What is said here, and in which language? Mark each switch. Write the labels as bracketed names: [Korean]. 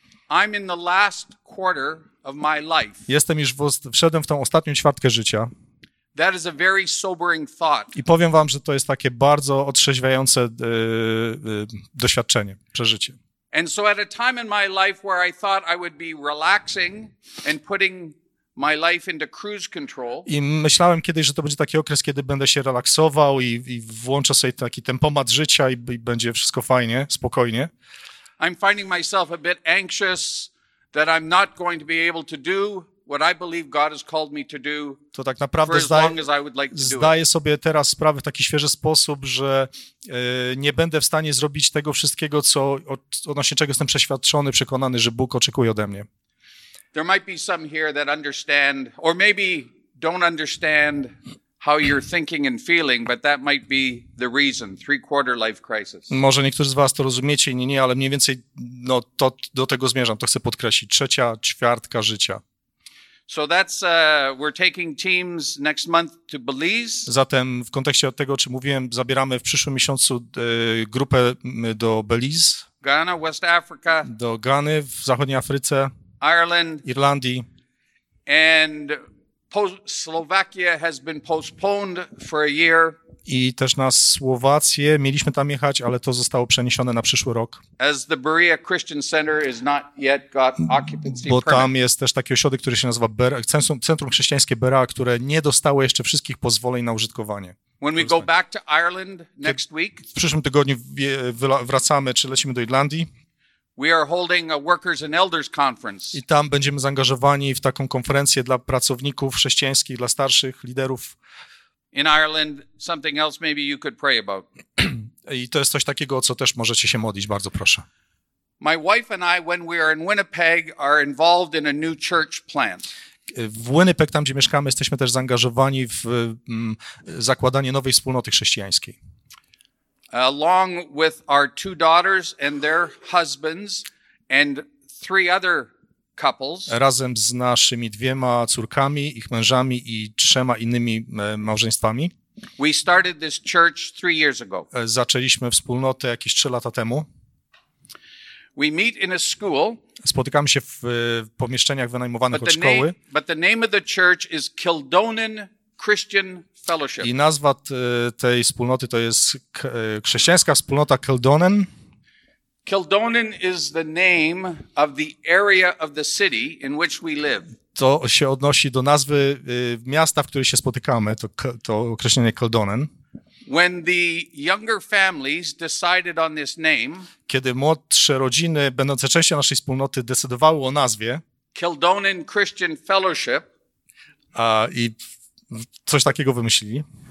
[English] I'm in the last quarter of my life. [Polish] Jestem już wszedłem w tą ostatnią ćwiartkę życia. [English] That is a very sobering thought. [Polish] I powiem wam, że to jest takie bardzo otrzeźwiające doświadczenie, przeżycie. [English] And so at a time in my life where I thought I would be relaxing and putting my life into cruise control. [Polish] I myślałem kiedyś, że to będzie taki okres, kiedy będę się relaksował i włączę sobie taki tempomat życia i będzie wszystko fajnie, spokojnie. [English] I'm finding myself a bit anxious that I'm not going to be able to do what I believe God has called me to do. [Polish] To tak naprawdę zdaję sobie teraz sprawę w taki świeży sposób, że nie będę w stanie zrobić tego wszystkiego, co odnośnie czego jestem przeświadczony, przekonany, że Bóg oczekuje ode mnie. [English] There might be some here that understand or maybe don't understand how you're thinking and feeling, but that might be the reason, three-quarter life crisis. [Polish] Może niektórzy z was to rozumiecie, nie, ale mniej więcej to do tego zmierzam, to chcę podkreślić, trzecia ćwiartka życia. [English] So that's we're taking teams next month to Belize. [Polish] Zatem w kontekście tego, o czym mówiłem, zabieramy w przyszłym miesiącu grupę do Belize. [English] Ghana, West Africa. [Polish] Do Gany w zachodniej Afryce. [English] Ireland. [Polish] Irlandii. [English] And Slovakia has been postponed for a year. [Polish] I też na Słowację mieliśmy tam jechać, ale to zostało przeniesione na przyszły rok. [English] As the Berea Christian Center is not yet got occupancy permit. [Polish] Bo tam jest też taki ośrodek, który się nazywa Centrum Chrześcijańskie Berea, które nie dostało jeszcze wszystkich pozwoleń na użytkowanie. [English] When we go back to Ireland next week. [Polish] W przyszłym tygodniu wracamy, czy lecimy do Irlandii. [English] We are holding a workers and elders conference. [Polish] I tam będziemy zaangażowani w taką konferencję dla pracowników chrześcijańskich, dla starszych liderów. [English] In Ireland, something else maybe you could pray about. [Polish] I to jest coś takiego, o co też możecie się modlić, bardzo proszę. [English] My wife and I, when we are in Winnipeg, are involved in a new church plant. [Polish] W Winnipeg, tam gdzie mieszkamy, jesteśmy też zaangażowani w zakładanie nowej wspólnoty chrześcijańskiej. [English] Along with our two daughters and their husbands and three other couples. [Polish] Razem z naszymi dwiema córkami, ich mężami i trzema innymi małżeństwami. [English] We started this church 3 years ago. [Polish] Zaczęliśmy wspólnotę jakieś 3 lata temu. [English] We meet in a school. [Polish] Spotykamy się w pomieszczeniach wynajmowanych od szkoły. [English] But the name of the church is Kildonan Christian Fellowship. [Polish] I nazwa tej wspólnoty to jest chrześcijańska wspólnota Kildonan. [English] Kildonan is the name of the area of the city in which we live. [Polish] To się odnosi do nazwy miasta, w której się spotykamy, to określenie Kildonan. [English] When the younger families decided on this name, [Polish] kiedy młodsze rodziny, będące częścią naszej wspólnoty, decydowały o nazwie, [English] Kildonan Christian Fellowship, [Polish] i coś takiego wymyślili,